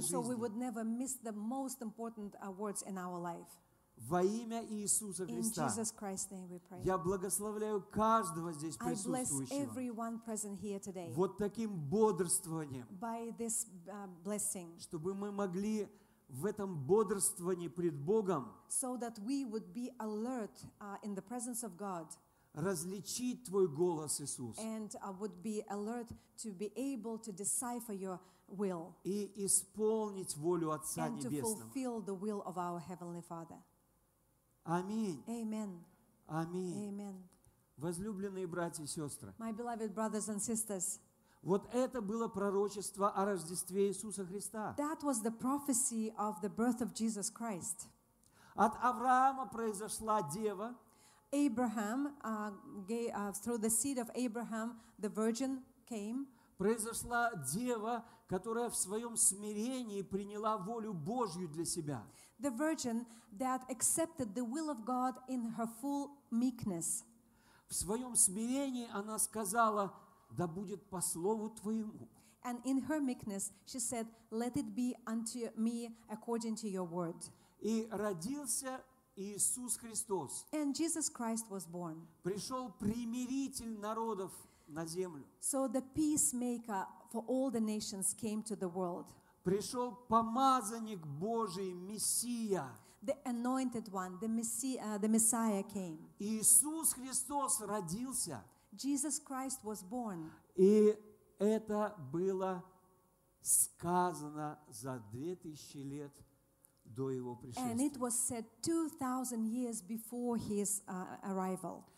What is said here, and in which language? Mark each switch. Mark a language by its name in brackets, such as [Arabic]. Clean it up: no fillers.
[Russian] жизни. [English] And so we would never miss the most important words in our life. [Russian] Во имя Иисуса Христа. [English] In Jesus Christ's name we pray. [Russian] Я благословляю каждого здесь присутствующего. [English] I bless everyone present here today. [Russian] Вот таким бодрствованием. [English] By this blessing. [Russian] Чтобы мы могли в этом бодрствовании пред Богом [English] so that we would be alert, in the presence of God, [Russian] различить твой голос, Иисус, [English] and would be alert to be able to decipher your will, [Russian] и исполнить волю Отца [English] and [Russian] Небесного, [English] to fulfill the will of our Heavenly Father. [Russian] Аминь. [English] Amen. [Russian] Аминь. [English] Amen. [Russian] Возлюбленные братья и сестры, [English] my beloved brothers and sisters, [Russian] вот это было пророчество о Рождестве Иисуса Христа. [English] That was the prophecy of the birth of Jesus Christ. [Russian] От Авраама произошла дева. [English] Abraham, through the seed of Abraham, the virgin came. [Russian] Произошла дева, которая в своем смирении приняла волю Божью для себя. [English] The virgin that accepted the will of God in her full meekness. [Russian] В своем смирении она сказала: «Да будет по слову Твоему». [English] And in her meekness, she said, «Let it be unto me according to your word». [Russian] И родился Иисус Христос. [English] And Jesus Christ was born. [Russian] Пришел примиритель народов на землю. [English] So the peacemaker for all the nations came to the world. [Russian] Пришел помазанник Божий, Мессия. [English] The anointed one, the Messiah came. [Russian] Иисус Христос родился. [English] Jesus Christ was born. [Russian] И это было сказано за 2000 лет до его пришествия. [English] And it was said 2000 years before his arrival.